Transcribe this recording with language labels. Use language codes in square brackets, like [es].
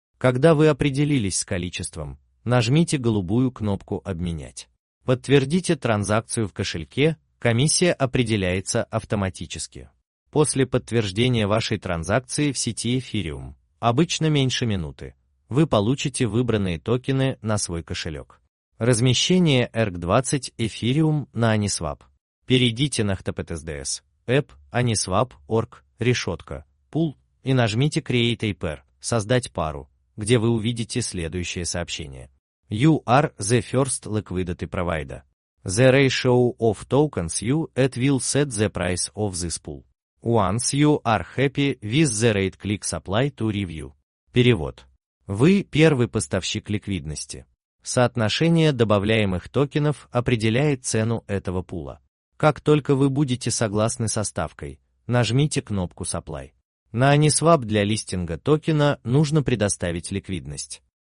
[ru] Когда вы определились с количеством, нажмите голубую кнопку «Обменять». Подтвердите транзакцию в кошельке, комиссия определяется автоматически. После подтверждения вашей транзакции в сети Ethereum, обычно меньше минуты, вы получите выбранные токены на свой кошелек. Размещение ERC-20 Ethereum на Aniswap. Перейдите на https://. App Aniswap.org. Решетка, пул, и нажмите [en] Create a Pair, [ru] создать пару, где вы увидите следующее сообщение. [en] You are the first liquidity provider. The ratio of tokens you at will set the price of this pool. Once you are happy with the rate, click supply to review. [ru] Перевод. Вы первый поставщик ликвидности. Соотношение добавляемых токенов определяет цену этого пула. Как только вы будете согласны со ставкой, нажмите кнопку Supply. На Aniswap для листинга токена нужно предоставить ликвидность.